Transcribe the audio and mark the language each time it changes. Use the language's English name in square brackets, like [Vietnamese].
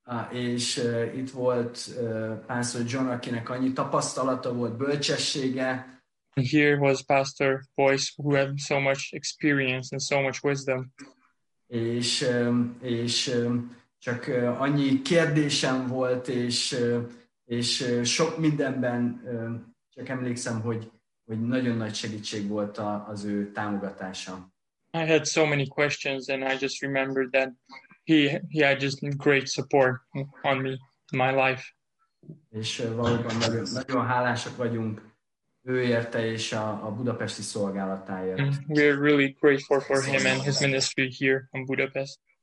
[Hungarian] És itt volt Pastor John, akinek annyi tapasztalata volt, bölcsessége. [English] And here was Pastor Boyce, who had so much experience and so much wisdom. [Hungarian] És csak annyi kérdésem volt, és sok mindenben csak emlékszem, hogy nagyon nagy segítség volt az ő támogatása. [English] I had so many questions and I just remembered that he had just great support on me, my life. [Hungarian] És valóban nagyon, nagyon hálásak vagyunk ő érte és a budapesti szolgálatáért. [English] We are really grateful for him and his ministry here in Budapest.